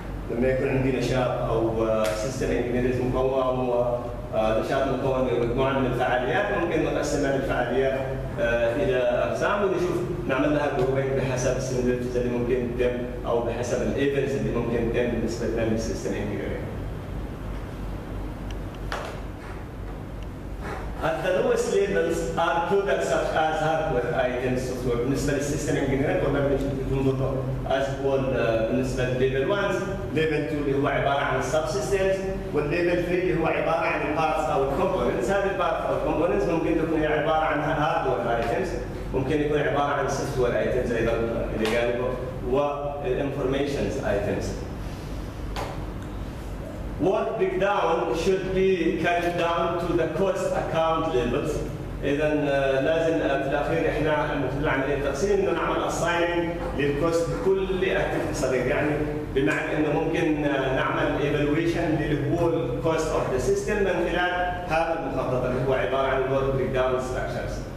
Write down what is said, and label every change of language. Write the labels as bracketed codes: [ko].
[ar] لما يكون عندي نشاط او سيستم انجينيرز مقوم او نشاط مكون من مجموعه من الفعاليات, ممكن نقسم هذه الفعاليات الى اقسام ونشوف نعمل لها جروبين بحسب السيناريوز اللي ممكن تتم او بحسب الايفنتس اللي ممكن تتم بالنسبه لنا للسيستم انجينيرز. [en] At the lowest levels are products such as hardware items, software. [ar] بالنسبة للسيستم انجينيرنج كنا بنشوف as well بالنسبة لليفل 1, ليفل 2 اللي هو عبارة عن السب سيستمز, والليفل 3 اللي هو عبارة عن البارتس أو الكومبوننتس. هذه البارتس أو الكومبوننتس ممكن تكون عبارة عن hardware items, ممكن يكون عبارة عن software items أيضا اللي قالوا و information items. [en] Work breakdown should be cut down to the cost account levels. [ar] اذا لازم في الاخير احنا مثل عمليه التقسيم انه نعمل assigning للكوست لكل اكتيفيتي صديق, يعني بمعنى انه ممكن نعمل evaluation للهول cost of the system من خلال هذا المخطط اللي هو عباره عن work breakdown structures.